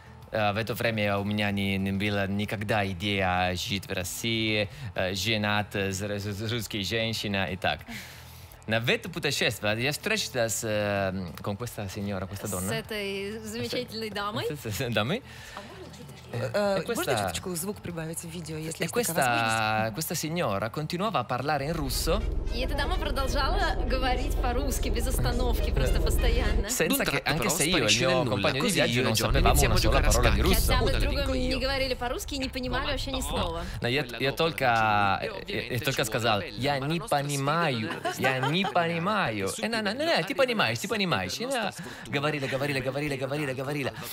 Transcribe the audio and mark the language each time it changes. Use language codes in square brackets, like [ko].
[ru] В это время у меня не было никогда идеи жить в России, женат с русской женщиной и так. На это путешествие я встретился с... Как эта сеньора, эта донна? С этой замечательной дамой. С дамой. А можно Можно чуточку звук прибавить в видео, если есть [it] questa signora continuava a parlare in russo. [ru] И эта дама продолжала говорить по-русски без остановки, просто постоянно. [it] Senza che anche se io e il mio compagno di viaggio non sapevamo una sola parola di russo. [ru] Хотя мы друг другу не говорили по-русски и не понимали вообще ни слова. Я только сказал, я не понимаю. Ты понимаешь. Говорили.